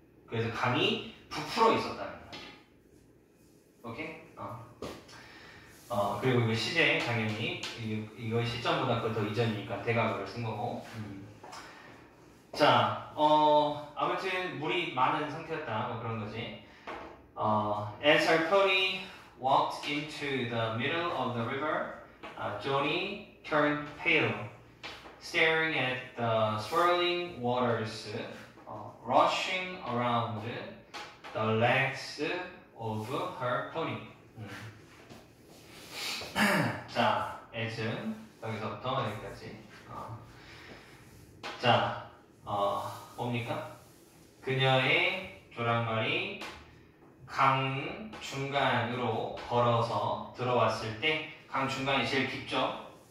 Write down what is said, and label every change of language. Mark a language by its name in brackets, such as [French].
[Korean] 그래서 강이 부풀어 있었다는 거죠. 오케이? 그리고 이거 시제, 당연히. 이거 시점보다 그 더 이전이니까 대각을 쓴 거고. 자, 아무튼 물이 많은 상태였다. 뭐 그런 거지. [English] As our pony walked into the middle of the river, Johnny turned pale. Staring at the swirling waters rushing around the legs of her pony. [Korean] 자, 애즘 여기서부터 여기까지. 자, 뭡니까? 그녀의 조랑말이 강 중간으로 걸어서 들어왔을 때, 강 중간이 제일 깊죠?